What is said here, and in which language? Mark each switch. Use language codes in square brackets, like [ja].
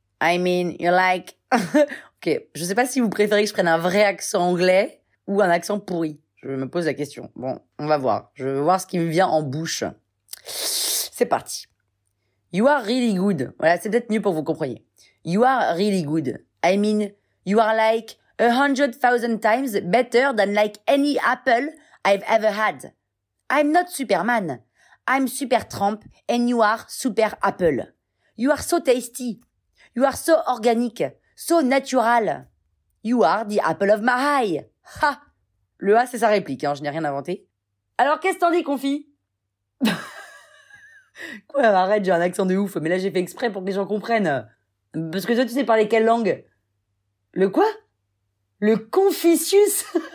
[en] I mean, you're like... [fr] Ok, je sais pas si vous préférez que je prenne un vrai accent anglais ou un accent pourri. Je me pose la question. Bon, on va voir. Je veux voir ce qui me vient en bouche. C'est parti. [en] You are really good. [fr] Voilà, c'est peut-être mieux pour vous compreniez. [en] You are really good. I mean, you are like 100,000 times better than like any apple I've ever had. I'm not Superman. I'm Super Trump and you are Super Apple. You are so tasty. You are so organic. So natural. You are the apple of my eye. Ha! [fr] Le A, c'est sa réplique, hein, je n'ai rien inventé. Alors, qu'est-ce que t'en dis, confit? Quoi, arrête, j'ai un accent de ouf, mais là, j'ai fait exprès pour que les gens comprennent. Parce que toi, tu sais parler quelle langue? Le quoi? Le Confucius?